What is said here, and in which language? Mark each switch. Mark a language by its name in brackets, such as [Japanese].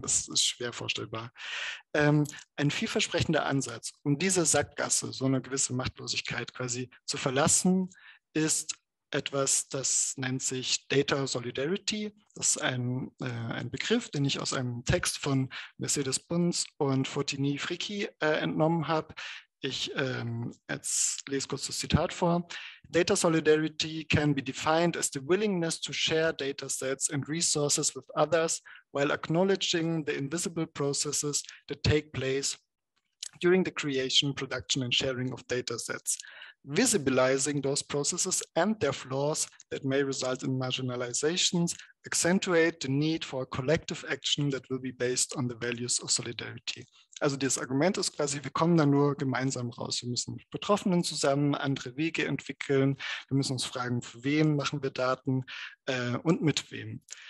[German] Das ist schwer vorstellbar. Ein vielversprechender Ansatz, um diese Sackgasse, so eine gewisse Machtlosigkeit quasi zu verlassen, ist etwas, das nennt sich Data Solidarity. Das ist ein Begriff, den ich aus einem Text von Mercedes Bunz und Fortini Fricchi entnommen habe. Ich lese kurz das Zitat vor. [English] Data solidarity can be defined as the willingness to share data sets and resources with others while acknowledging the invisible processes that take place during the creation, production and sharing of data sets. Visibilizing those processes and their flaws that may result in marginalizations accentuate the need for a collective action that will be based on the values of solidarity. [German] Also das Argument ist quasi, wir kommen da nur gemeinsam raus. Wir müssen mit Betroffenen zusammen andere Wege entwickeln. Wir müssen uns fragen, für wen machen wir Daten und mit wem.